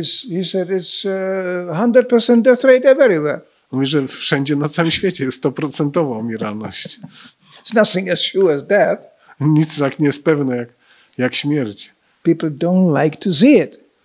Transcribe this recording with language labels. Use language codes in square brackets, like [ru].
[en] He said it's 100% death rate everywhere. [pl] Mówi, że wszędzie na całym świecie jest 100% umieralność. [en] It's nothing as sure as death. [pl] Nic tak nie jest pewne jak śmierć. [en] People don't like to see it.